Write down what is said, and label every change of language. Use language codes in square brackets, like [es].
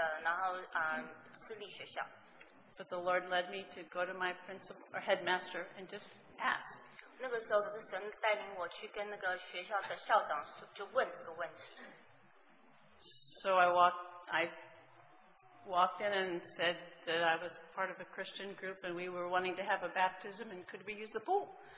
[zh] 那个是个犹太的人，是个非常属世界的，然后私立学校。 [en] But the Lord led me to go to my principal or headmaster and just ask. [zh] 那个时候是神带领我去跟那个学校的校长就问这个问题。 [en] So I walked in and said that I was part of a Christian group and we were wanting to have a baptism and could we use the pool?